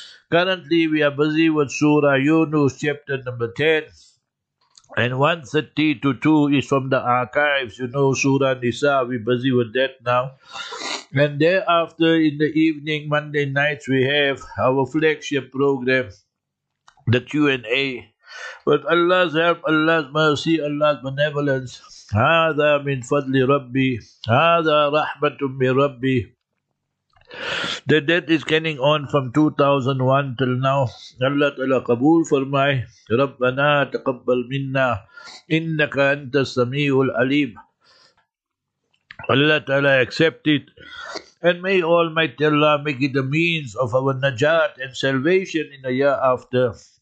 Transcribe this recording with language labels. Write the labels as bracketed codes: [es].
[en] Currently we are busy with Surah Yunus chapter number 10. And 1:30 to 2 is from the archives, you know, Surah Nisa, we're busy with that now. And thereafter in the evening, Monday nights, we have our flagship program, the Q&A. With Allah's help, Allah's mercy, Allah's benevolence, [ar] هذا من فضل ربي, هذا رحمة من ربي. [en] The debt is getting on from 2001 till now. [ur] Allah Ta'ala qabool farmai. [ar] Rabbana taqabbal minna innaka anta sami'ul alim. [en] Allah Ta'ala accept it. And may Almighty Allah make it the means of our najat and salvation in the year after.